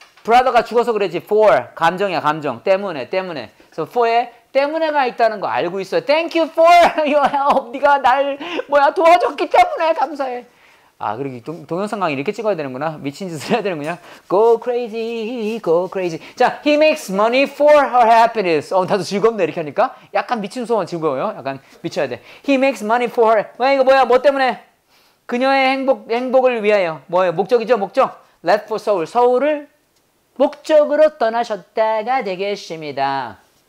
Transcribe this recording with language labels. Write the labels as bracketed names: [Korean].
[Korean] 브라더가 죽어서 그랬지. for. 감정이야, 감정. 때문에, 때문에. 그래서 for에 때문에가 있다는 거 알고 있어요. [English] Thank you for your help. [Korean] 네가 날 뭐야 도와줬기 때문에 감사해. 아, 그러기 동영상 강의 이렇게 찍어야 되는구나. 미친 짓을 해야 되는구나. [English] Go crazy, go crazy. 자, he makes money for her happiness. [Korean] 나도 즐겁네, 이렇게 하니까. 약간 미친 소원 즐거워요. 약간 미쳐야 돼. [English] He makes money for her. [Korean] 왜 이거 뭐야? 뭐 때문에? 그녀의 행복을 위하여. 뭐예요? 목적이죠? 목적. [English] Left for Seoul. [Korean] 서울을 목적으로 떠나셨다가 되겠습니다.